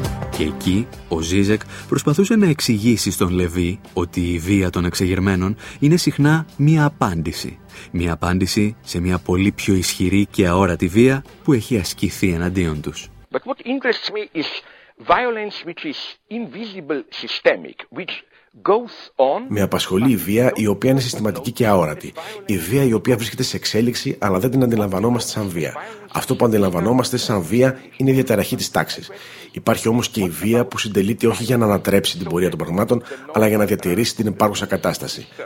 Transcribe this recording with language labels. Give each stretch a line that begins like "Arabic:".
Greek: Και εκεί, ο Ζίζεκ προσπαθούσε να εξηγήσει στον Λεβί ότι η βία των εξεγερμένων είναι συχνά μία απάντηση. Μία απάντηση σε μία πολύ πιο ισχυρή και αόρατη βία που έχει ασκηθεί εναντίον τους.
English: But what interests me is violence which is invisible, systemic, which...
Greek: Με απασχολεί η βία η οποία είναι συστηματική και αόρατη. Η βία η οποία βρίσκεται σε εξέλιξη αλλά δεν την αντιλαμβανόμαστε σαν βία. Αυτό που αντιλαμβανόμαστε σαν βία είναι η διαταραχή της τάξης. Υπάρχει όμως και η βία που συντελείται όχι για να ανατρέψει την πορεία των πραγμάτων αλλά για να διατηρήσει την υπάρχουσα κατάσταση.